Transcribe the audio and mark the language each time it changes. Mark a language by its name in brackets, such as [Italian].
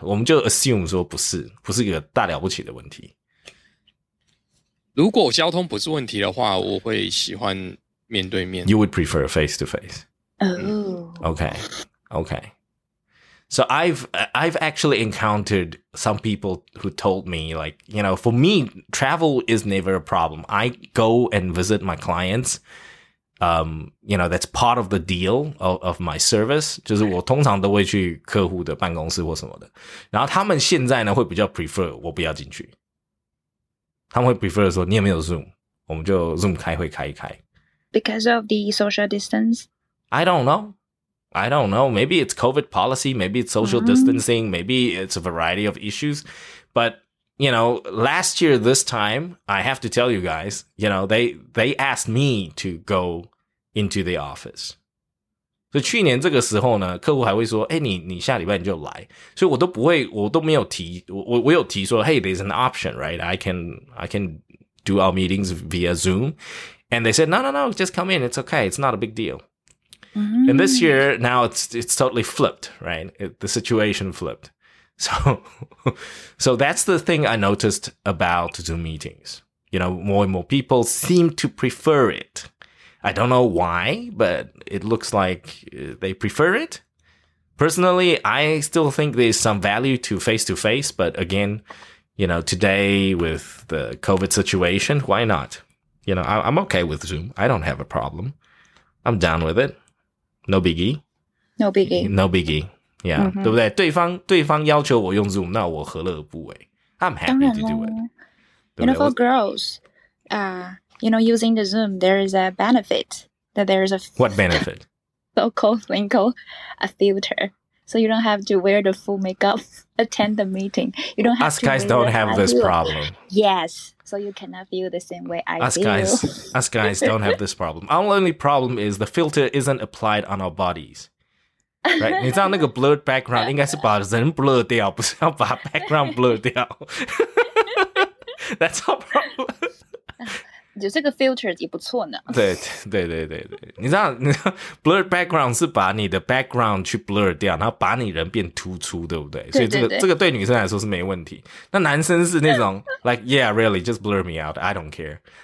[Chinese] 我们就 assume 说不是一个大了不起的问题。如果交通不是问题的话，我会喜欢面对面。 [English] You would prefer face to face. Okay. Okay. So I've actually encountered some people who told me, like, you know, for me, travel is never a problem. I go and visit my clients. You know, that's part of the deal of my service. [Chinese] 就是我通常都会去客户的办公室或什么的。然后他们现在呢会比较 prefer 我不要进去。他们会 prefer 说你有没有 Zoom? 我们就 Zoom 开会开一开。 [English] Because of the social distance? I don't know. Maybe it's COVID policy. Maybe it's social distancing. Maybe it's a variety of issues. But, you know, last year, this time, I have to tell you guys, you know, they asked me to go into the office. [Chinese] So, 去年这个时候呢，客户还会说，欸，你下礼拜你就来。所以我都不会，我都没有提，我有提说， [English] hey, there's an option, right? I can do our meetings via Zoom. And they said, no, just come in. It's okay. It's not a big deal. And this year, now it's totally flipped, right? The situation flipped. So that's the thing I noticed about Zoom meetings. You know, more and more people seem to prefer it. I don't know why, but it looks like they prefer it. Personally, I still think there's some value to face-to-face. But again, you know, today with the COVID situation, why not? You know, I'm okay with Zoom. I don't have a problem. I'm down with it. No biggie. [Chinese] Yeah,、mm-hmm. 对不对？对方要求我用 Zoom, 那我何乐不为？ [English] I'm happy to do it. You know, for girls, you know, using the Zoom, there is a benefit. That there is a... What benefit? So-called a filter. So you don't have to wear the full makeup, attend the meeting. You don't have us guys don't have this problem. Yes. So you cannot feel the same way I us do. Us guys don't have this problem. Our only problem is the filter isn't applied on our bodies. Right? [Chinese] 你知道那个 blurred background 应该是把人 blur 掉，不是要把 background blur 掉。 [English] That's our problem. [Chinese] 就这个 filter 也不错呢。对，你知道 blurred background 是把你的 background 去 blur 掉，然后把你人变突出，对不 对, 对所以这个对女生来说是没问题。那男生是那种 [English] like yeah really just blur me out, I don't care.